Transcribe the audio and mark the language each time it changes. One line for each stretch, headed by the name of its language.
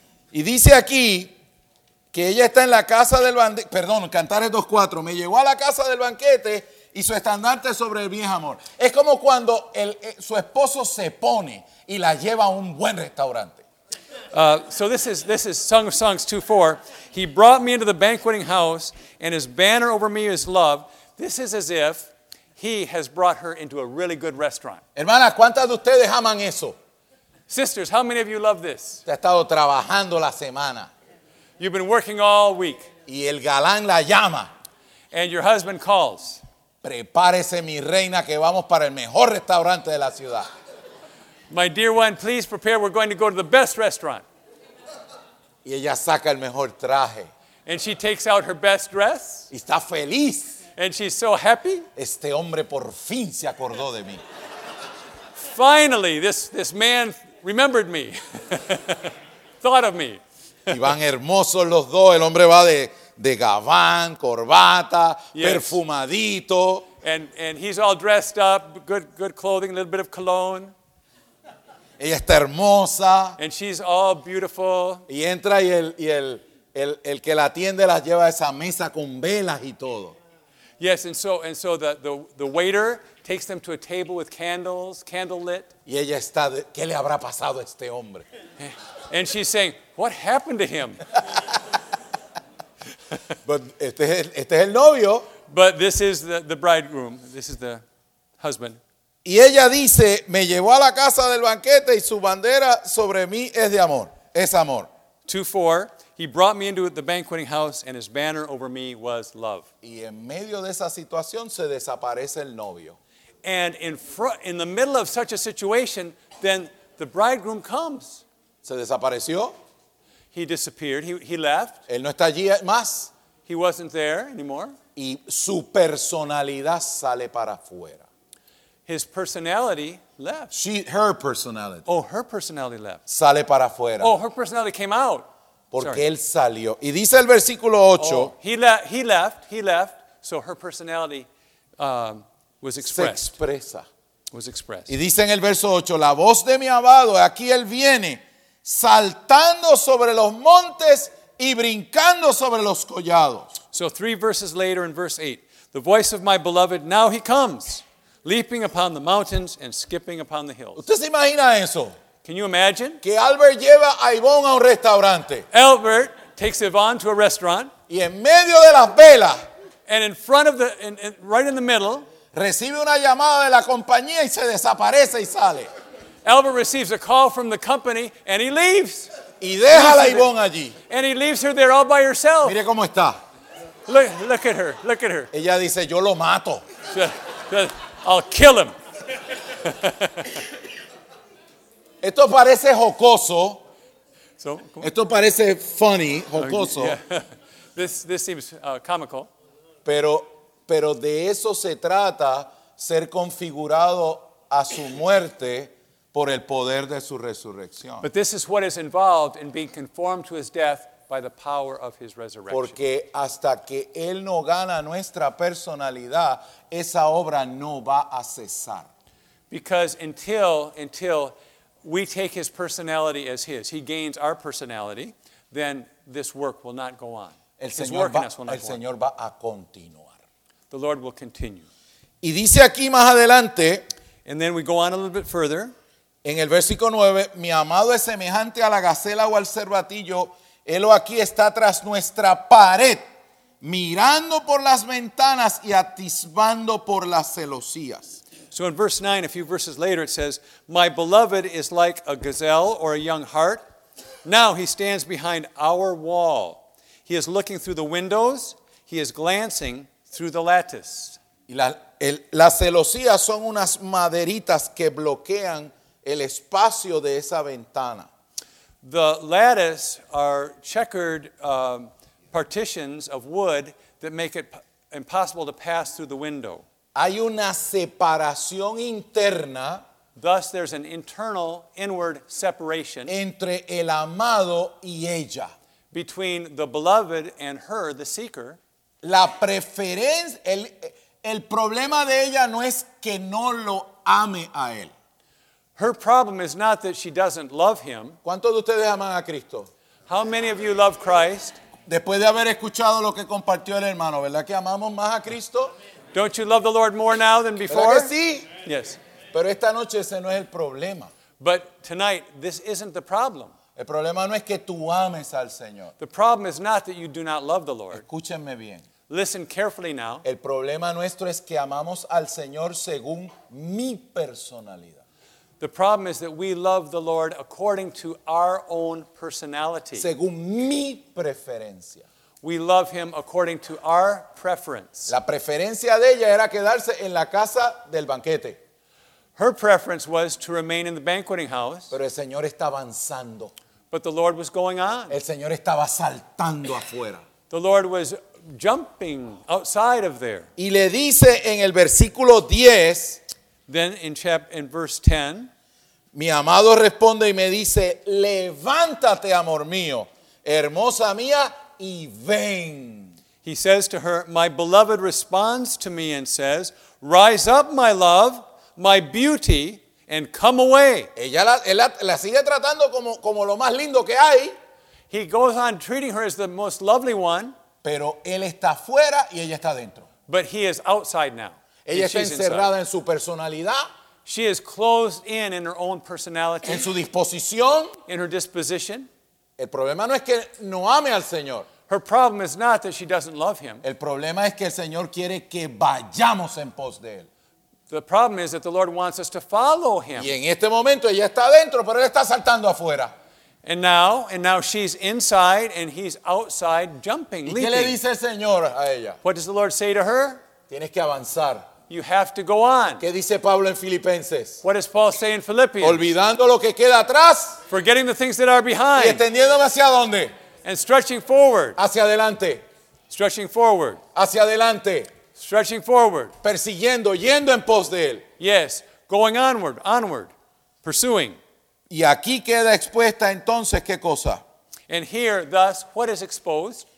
Spanish: Y dice aquí que ella está en la casa del banquete. Perdón, Cantares 2:4. Me llegó a la casa del banquete y su estandarte sobre el viejo amor. Es como cuando su esposo se pone y la lleva a un buen restaurante.
English: So this is Song of Songs 2:4. He brought me into the banqueting house, and his banner over me is love. This is as if he has brought her into a really good restaurant.
Spanish: Hermanas, ¿cuántas de ustedes aman eso?
English: Sisters, how many of you love this?
Spanish: Te ha estado trabajando la semana.
English: You've been working all week.
Spanish: Y el galán la llama.
English: And your husband calls.
Spanish: Prepárese, mi reina, que vamos para el mejor restaurante de la ciudad.
English: My dear one, please prepare. We're going to go to the best restaurant.
Spanish: Y ella saca el mejor traje.
English: And she takes out her best dress.
Spanish: Y está feliz.
English: And she's so happy.
Spanish: Este hombre por fin se acordó de mí.
English: Finally, this man remembered me. Thought of me.
Spanish: y van hermosos los dos. El hombre va de gabán, corbata,
English: yes,
Spanish: perfumadito.
English: And he's all dressed up, good clothing, a little bit of cologne.
Spanish: Ella está hermosa.
English: And she's all beautiful.
Spanish: Y entra y el que la atiende la lleva a esa mesa con velas y todo.
English: Yes, and so the waiter takes them to a table with candles, candle lit.
Spanish: Y ella está, ¿qué le habrá pasado a este hombre?
English: And she's saying, what happened to him? But
Spanish: este es el novio.
English: But this is the bridegroom. This is the husband.
Spanish: Y ella dice, me llevó a la casa del banquete y su bandera sobre mí es de amor. Es amor.
English: 2:4, he brought me into the banqueting house and his banner over me was love.
Spanish: Y en medio de esa situación se desaparece el novio.
English: And in the middle of such a situation, then the bridegroom comes.
Spanish: Se desapareció.
English: He disappeared. He left.
Spanish: Él no está allí más.
English: He wasn't there anymore.
Spanish: Y su personalidad sale para afuera.
English: His personality left. Her personality. Oh, her personality left.
Spanish: Sale para afuera.
English: Oh, her personality came out.
Spanish: Porque él salió. Y dice el versículo 8.
English: Oh, he left. So her personality was expressed.
Spanish: Se expresa.
English: Was expressed.
Spanish: Y dice en el verso 8. La voz de mi amado, aquí él viene, saltando sobre los montes y brincando sobre los collados.
English: So 3 verses later in verse 8. The voice of my beloved, now he comes, leaping upon the mountains and skipping upon the hills.
Spanish: ¿Usted se imagina eso?
English: Can you imagine?
Spanish: Que Albert lleva a Yvonne a un restaurante.
English: Albert takes Yvonne to a restaurant.
Spanish: Y en medio de las velas.
English: And in front of the, right in the middle.
Spanish: Recibe una llamada de la compañía y se desaparece y sale.
English: Albert receives a call from the company and he leaves.
Spanish: Y deja a Yvonne allí.
English: And he leaves her there all by herself.
Spanish: Mire cómo está.
English: Look at her. Look at her.
Spanish: Ella dice, yo lo mato.
English: I'll kill him.
Spanish: Esto parece jocoso. Esto parece
English: funny,
Spanish: jocoso.
English: This seems comical.
Spanish: Pero de eso se trata, ser configurado a su muerte por el poder de su resurrección.
English: But this is what is involved in being conformed to his death by the power of his resurrection.
Spanish: Porque hasta que él no gana nuestra personalidad, esa obra no va a cesar.
English: Because until we take his personality as his, he gains our personality, then this work will not go on.
Spanish: El Señor va a continuar.
English: The Lord will continue.
Spanish: Y dice aquí más adelante,
English: and then we go on a little bit further.
Spanish: En el versículo 9, mi amado es semejante a la gacela o al cervatillo. Él aquí está tras nuestra pared, mirando por las ventanas y atisbando por las celosías.
English: So in verse 9, a few verses later, it says, my beloved is like a gazelle or a young hart. Now he stands behind our wall. He is looking through the windows. He is glancing through the lattice.
Spanish: Y las celosías son unas maderitas que bloquean el espacio de esa ventana.
English: The lattice are checkered partitions of wood that make it impossible to pass through the window.
Spanish: Hay una separación interna.
English: Thus, there's an internal, inward separation.
Spanish: Entre el amado y ella.
English: Between the beloved and her, the seeker.
Spanish: La preferencia, el problema de ella no es que no lo ame a él.
English: Her problem is not that she doesn't love him.
Spanish: ¿Cuántos de ustedes aman a Cristo?
English: How many of you love Christ?
Spanish: Después de haber escuchado lo que compartió el hermano, ¿verdad que amamos más a Cristo?
English: Don't you love the Lord more now than before?
Spanish: ¿Verdad que sí?
English: Yes.
Spanish: Pero esta noche ese no es el problema.
English: But tonight, this isn't the problem.
Spanish: El problema no es que tú ames al Señor.
English: The problem is not that you do not love the Lord.
Spanish: Escúchenme bien.
English: Listen carefully now.
Spanish: El problema nuestro es que amamos al Señor según mi personalidad.
English: The problem is that we love the Lord according to our own personality.
Spanish: Según mi preferencia.
English: We love him according to our preference.
Spanish: La preferencia de ella era quedarse en la casa del banquete.
English: Her preference was to remain in the banqueting house.
Spanish: Pero el Señor está avanzando.
English: But the Lord was going on.
Spanish: El Señor estaba saltando afuera.
English: The Lord was jumping outside of there.
Spanish: Y le dice en el versículo 10.
English: Then in verse 10,
Spanish: mi amado responde y me dice, levántate, amor mío. hermosa mía, y ven.
English: He says to her, my beloved responds to me and says, rise up, my love, my beauty, and come away.
Spanish: Ella la sigue tratando como lo más lindo que hay.
English: He goes on treating her as the most lovely one.
Spanish: Pero él está fuera y ella está dentro.
English: But he is outside now.
Spanish: Ella está encerrada en su personalidad.
English: She is closed in her own personality.
Spanish: En su disposición.
English: In her disposition.
Spanish: El problema no es que no ame al Señor.
English: Her problem is not that she doesn't love him.
Spanish: El problema es que el Señor quiere que vayamos en pos de él.
English: The problem is that the Lord wants us to follow him.
Spanish: Y en este momento ella está adentro, pero él está saltando afuera.
English: And now she's inside and he's outside jumping,
Spanish: ¿Y
English: leaping.
Spanish: ¿Qué le dice el Señor a ella?
English: What does the Lord say to her?
Spanish: Tienes que avanzar.
English: You have to go on.
Spanish: ¿Qué dice Pablo en Filipenses?
English: What does Paul say in Philippians?
Spanish: Olvidando lo que queda atrás.
English: Forgetting the things that are behind.
Spanish: ¿Y extendiéndome hacia dónde?
English: And stretching forward.
Spanish: Hacia adelante.
English: Stretching forward.
Spanish: Hacia adelante.
English: Stretching forward.
Spanish: Persiguiendo, yendo en pos de él.
English: Yes, going onward, onward. Pursuing.
Spanish: Y aquí queda expuesta entonces, ¿qué cosa?
English: And here, thus, what is exposed?